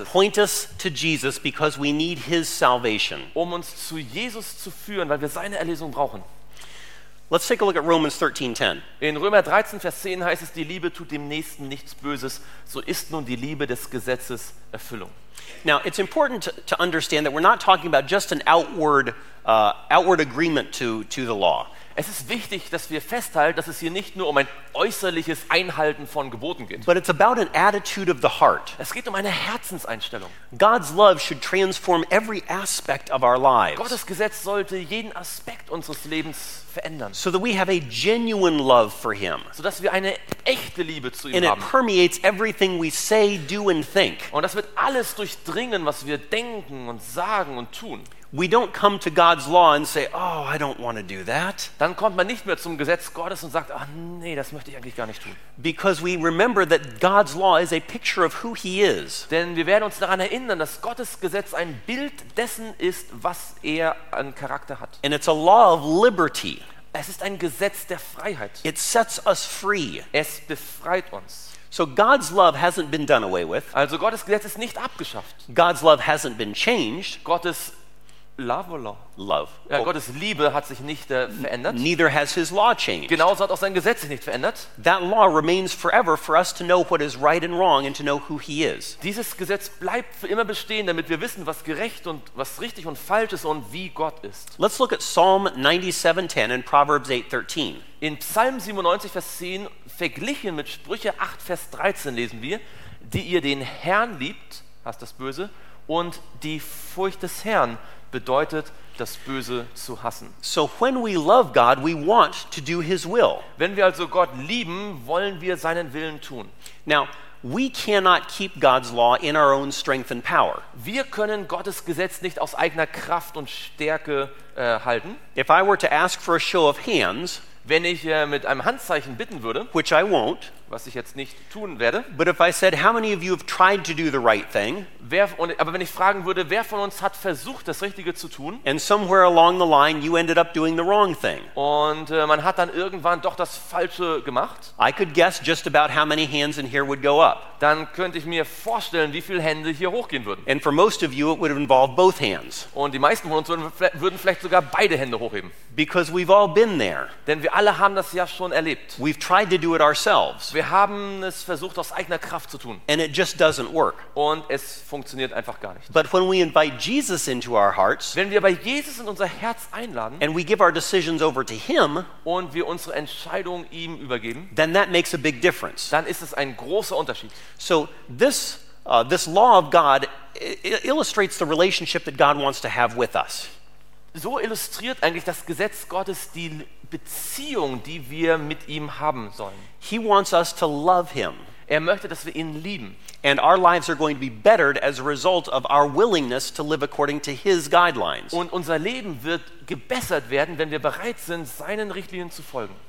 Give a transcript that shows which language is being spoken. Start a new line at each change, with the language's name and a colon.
English: To point us to Jesus because we need his salvation.
German: Um uns zu Jesus zu führen, weil wir seine Erlösung brauchen.
English: Let's take a look at Romans 13:10.
German: In Römer 13 Vers 10 heißt es, die Liebe tut dem Nächsten nichts Böses, so ist nun die Liebe des Gesetzes Erfüllung.
English: Now, it's important to understand that we're not talking about just an outward agreement to the law.
German: Es ist wichtig, dass wir festhalten, dass es hier nicht nur um ein äußerliches Einhalten von Geboten geht.
English: But it's about an attitude of the heart.
German: Es geht um eine Herzenseinstellung.
English: God's love should transform every aspect of our lives.
German: Gottes Gesetz sollte jeden Aspekt unseres Lebens verändern.
English: So that we have a genuine love for him.
German: So dass wir eine echte Liebe zu ihm
English: and
German: haben.
English: And it permeates everything we say, do and think.
German: Und das wird alles durchdringen, was wir denken und sagen und tun.
English: We don't come to God's law and say, "Oh, I don't want to do that."
German: Dann kommt man nicht mehr zum Gesetz Gottes und sagt, "Ach nee, das möchte ich eigentlich gar nicht tun."
English: Because we remember that God's law is a picture of who he is.
German: Denn wir werden uns daran erinnern, dass Gottes Gesetz ein Bild dessen ist, was er an Charakter hat.
English: And it's a law of liberty.
German: Es ist ein Gesetz der Freiheit.
English: It sets us free.
German: Es befreit uns.
English: So God's love hasn't been done away with.
German: Also Gottes Gesetz ist nicht abgeschafft.
English: God's love hasn't been changed. Gottes Love or law? Love.
German: Ja, Gottes Liebe hat sich nicht verändert.
English: Neither has his law changed.
German: Genauso hat auch sein Gesetz sich nicht verändert.
English: That law remains forever for us to know what is right and wrong and to know who he is.
German: Dieses Gesetz bleibt für immer bestehen, damit wir wissen, was gerecht und was richtig und falsch ist und wie Gott ist.
English: Let's look at Psalm 97:10 and Proverbs 8:13.
German: In Psalm 97 Vers 10 verglichen mit Sprüche 8 Vers 13 lesen wir, die ihr den Herrn liebt, hasst das Böse, und die Furcht des Herrn bedeutet, das Böse zu hassen.
English: So when we love God, we want to do his will.
German: Wenn wir also Gott lieben, wollen wir seinen Willen tun.
English: Now, we cannot keep God's law in our own strength and power.
German: Wir können Gottes Gesetz nicht aus eigener Kraft und Stärke halten.
English: If I were to ask for a show of hands,
German: wenn ich mit einem Handzeichen bitten würde,
English: which I won't,
German: was ich jetzt nicht tun werde,
English: but if I said, how many of you have tried to do the right thing,
German: aber wenn ich fragen würde, wer von uns hat versucht, das Richtige zu tun,
English: and somewhere along the line you ended up doing the wrong thing,
German: und man hat dann irgendwann doch das Falsche gemacht,
English: I could guess just about how many hands in here would go up.
German: Dann könnte ich mir vorstellen, wie viele Hände hier hochgehen würden.
English: And for most of you it would involve both hands.
German: Und die meisten von uns würden vielleicht sogar beide Hände hochheben.
English: Because we've all been there.
German: Denn wir alle haben das ja schon erlebt.
English: We've tried to do it ourselves.
German: Wir haben es versucht, aus eigener Kraft zu tun.
English: And it just doesn't work.
German: Und es funktioniert einfach gar nicht.
English: But when we invite Jesus into our hearts,
German: wenn wir bei Jesus in unser Herz einladen,
English: and we give our decisions over to him,
German: und wir unsere Entscheidung ihm übergeben,
English: then that makes a big difference.
German: Dann ist es ein großer Unterschied.
English: So this law of God illustrates the relationship that God wants to have with us.
German: So illustriert eigentlich das Gesetz Gottes die Beziehung, die wir mit ihm haben sollen.
English: He wants us to love him.
German: Er möchte, dass wir ihn lieben.
English: And our lives are going to be bettered as a result of our willingness to live according to his guidelines.
German: Und unser Leben wird gebessert werden, wenn wir bereit sind, seinen Richtlinien zu folgen.